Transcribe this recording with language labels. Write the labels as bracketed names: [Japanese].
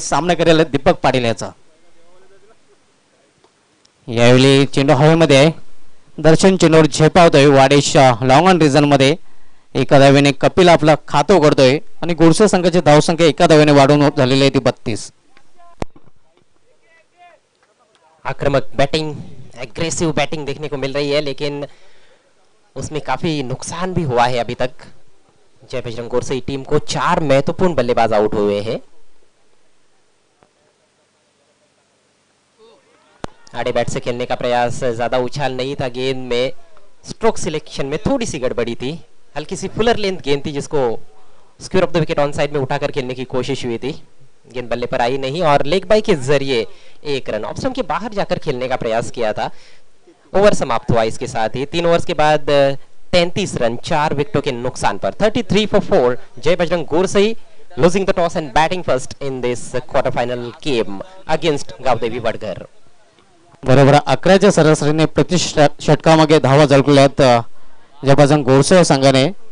[Marathi] सामना करेल दीपक पाटील याचा. यावेळी चेंडू हवेमध्ये आहे. दर्शन चेंडूवर झेपावतोय वाडेशा लॉंग ऑन रिझन मध्ये. एका धावेने कपिल आपला खातो करतोय आणि गोरसे संघाची धावसंख्या एका धावेने वाढून झालेली आहे ती 32. [Hindi] आक्रमक बॅटिंग अग्रेसिव्ह बॅटिंग देखने को मिल रही है लेकिन उसमें काफी नुकसान भी हुआ है अभी तक. जय बजरंग गोरसे की टीम को 4 महत्वपूर्ण बल्लेबाज आउट हुए हैं. आड़े बैट से खेलने का प्रयास, ज्यादा उछाल नहीं था गेंद में. स्ट्रोक सिलेक्शन में थोड़ी सी गड़बड़ी थी. हल्की सी फुलर लेंथ गेंद थी जिसको square of the wicket on side में उठाकर खेलने की कोशिश हुई थी. गेंद बल्ले पर आई नहीं और लेग बाई के जरिए 1 रन. ऑफ स्टंप के बाहर जाकर खेलने का प्रयास किया था. ओवर समाप्त हुआ इसके साथ ही. 3 ओवर के बाद 33 रन 4 विकेटों के नुकसान पर. [English] 33 for 4 [Hindi] जय Bajrang गोरसई [English] Losing the toss and batting first in this quarter final game against Gavdevi Wadghar. [Marathi] बरोबर 11 सरासरीने प्रति षटकामागे धावा झळकल्यात जय बजरंग गोरसई संघाने.